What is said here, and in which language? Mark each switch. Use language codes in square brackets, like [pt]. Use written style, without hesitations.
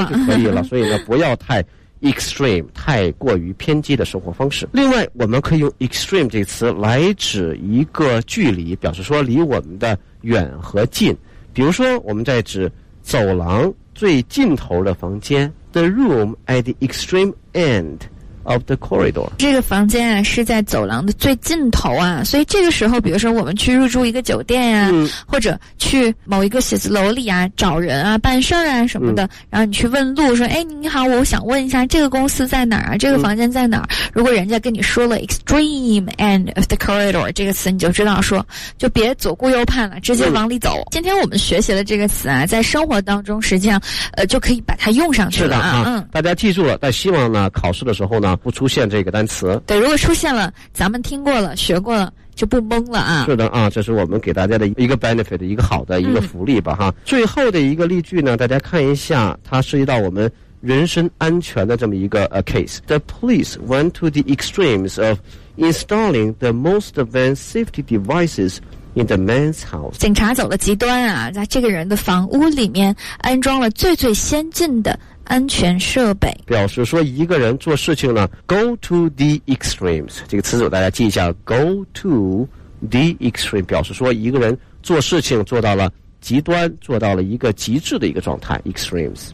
[zh] 小康就可以了所以呢不要太 extreme 太过于偏激的生活方式另外我们可以用 extreme 这个词来指一个距离表示说离我们的远和近比如说我们在指走廊最尽头的房间 [en] the room at the extreme end of the corridor. [zh] 这个房间啊是在走廊的最尽头啊，所以这个时候比如说我们去入住一个酒店啊、或者去某一个写字楼里啊找人啊办事啊什么的、然后你去问路说哎，你好，我想问一下这个公司在哪儿啊，这个房间在哪儿、如果人家跟你说了 [en] extreme end of the corridor [zh] 这个词，你就知道说就别左顾右盼了，直接往里走、今天我们学习了这个词啊，在生活当中实际上就可以把它用上去了、大家记住了，但希望呢考试的时候呢不出现这个单词。对，如果出现了咱们听过了学过了就不懵了啊。是的啊，这是我们给大家的一个 benefit， 一个好的一个福利吧、最后的一个例句呢，大家看一下，它涉及到我们人身安全的这么一个、case。 [en] The police went to the extremes of installing the most advanced safety devicesIn the man's house. [zh] 警察走了极端啊，在这个人的房屋里面安装了最最先进的安全设备。表示说一个人做事情呢 [en] go to the extremes， [zh] 这个词组大家记一下， [en] go to the extreme， [zh] 表示说一个人做事情做到了极端，做到了一个极致的一个状态， extremes。